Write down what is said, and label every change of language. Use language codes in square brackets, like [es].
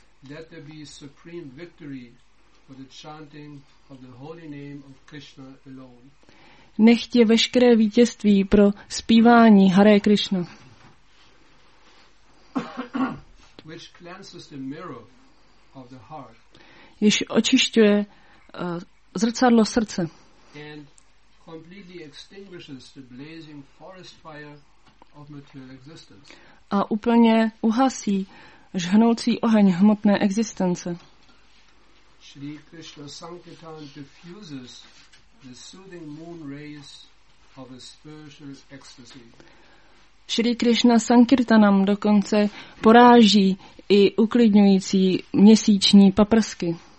[en] Let there be supreme victory for the chanting of the holy name of Krishna alone. [cs] Nechť je veškeré vítězství pro zpívání Hare Krishna. [en] Which cleanses the mirror of the heart. [cs] Jež očišťuje zrcadlo srdce. [en] And completely extinguishes the blazing forest fire of material existence. [cs] A úplně uhasí žhnoucí oheň hmotné existence. [en] Shri Krishna Sankirtan diffuses the soothing moon rays of a spiritual ecstasy. [cs] Shri Krishna Sankirtanam dokonce poráží i uklidňující měsíční paprsky.